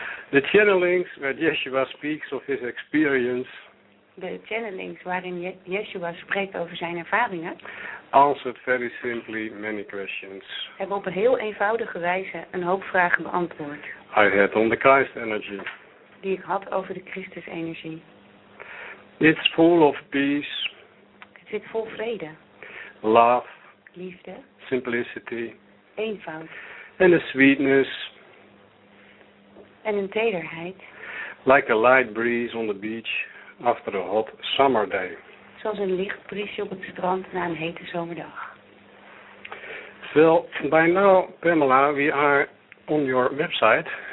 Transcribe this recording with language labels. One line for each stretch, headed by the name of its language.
English: The channelings where Yeshua speaks of his experience.
Dutch: De channelings waarin Yeshua spreekt over zijn ervaringen.
English: Answered very simply many questions.
Dutch: Hebben op een heel eenvoudige wijze een hoop vragen beantwoord.
English: I had on the Christ energy.
Dutch: Die ik had over de Christus energie.
English: It's full of peace.
Dutch: Het zit vol vrede.
English: Love.
Dutch: Liefde.
English: Simplicity.
Dutch: Eenvoud.
English: And a sweetness.
Dutch: En een tederheid.
English: Like a light breeze on the beach after a hot summer day.
Dutch: Zoals een licht briesje op het strand na een hete zomerdag.
English: Well, by now, Pamela, we are on your website.